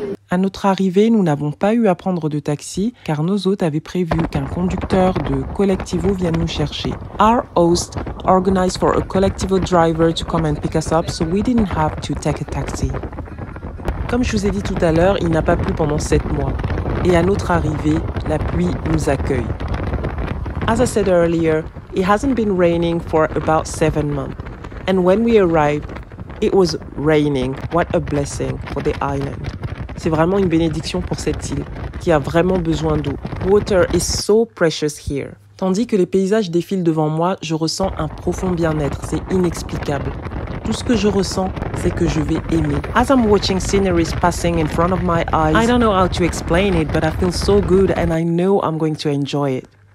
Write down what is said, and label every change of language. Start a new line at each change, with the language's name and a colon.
French: À notre arrivée, nous n'avons pas eu à prendre de taxi car nos hôtes avaient prévu qu'un conducteur de Colectivo vienne nous chercher.
English: Our host organized for a Colectivo driver to come and pick us up, so we didn't have to take a taxi.
French: Comme je vous ai dit tout à l'heure, il n'a pas plu pendant 7 mois. Et à notre arrivée, la pluie nous accueille.
English: As I said earlier, it hasn't been raining for about 7 months. And when we arrived, it was raining. What a blessing for the island.
French: C'est vraiment une bénédiction pour cette île qui a vraiment besoin d'eau.
English: Water is so precious here.
French: Tandis que les paysages défilent devant moi, je ressens un profond bien-être. C'est inexplicable. Tout ce que je ressens, c'est que je vais aimer.
English: As I'm watching sceneries passing in front of my eyes, I don't know how to explain it, but I feel so good and I know I'm going to enjoy it.